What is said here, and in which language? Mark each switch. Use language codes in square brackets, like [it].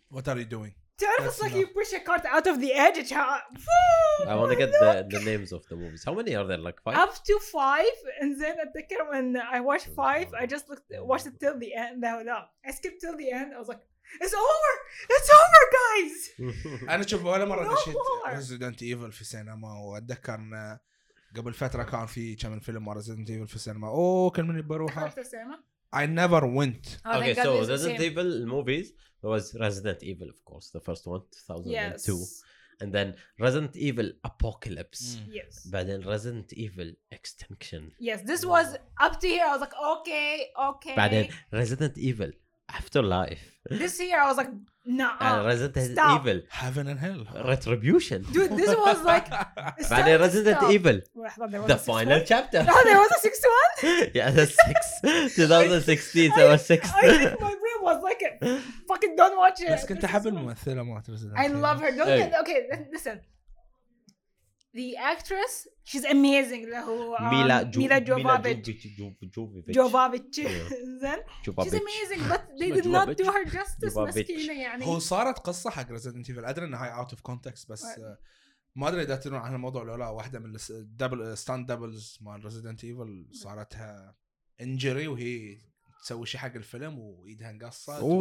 [en] What are you doing? تعرف it's like you push a cart out of the edge. I want to get the names of the movies. How many are there? Like five? Up to five. And then at the camera when I watched five, I just watched it till the end. No. I skipped till the end. I was like, it's over. It's over, guys. [ar] أنا شوف ولا مرة دشيت Resident Evil في سينما وأتذكر إن قبل فترة كان في كم فيلم Resident Evil في سينما. أوه كل مني بروحه. [en] I never went. Oh, okay, so Resident Evil movies was Resident Evil, of course, the first one, 2002. Yes. And then Resident Evil Apocalypse. Mm. Yes. But then Resident Evil Extinction. Yes, this was up to here. I was like, okay. But then Resident Evil Afterlife. This year, I was like, nah. And Resident stop. Evil. Heaven and Hell. Retribution. Dude, this was like. But then Resident stop. Evil. The final one? Chapter. Oh, there was a sixth one? Yeah, the sixth. 2016, there was sixth. My brain was like, fucking don't watch it. [ar] بس كنت أحب الممثلة مات [en] Resident Evil. I love her. Don't get, okay, listen. The actress, she's amazing. Mila Jovovich. She's amazing, but they did not do her justice. [ar] هو صارت قصة حق Resident Evil. أدري إنها هي [en] out of context, [ar] بس ما أدري إذا تدرون عن الموضوع ولا لا. واحدة من stunt doubles مال Resident Evil صارتها injury وهي تسوي شيء حق الفيلم وإيدها انقصت.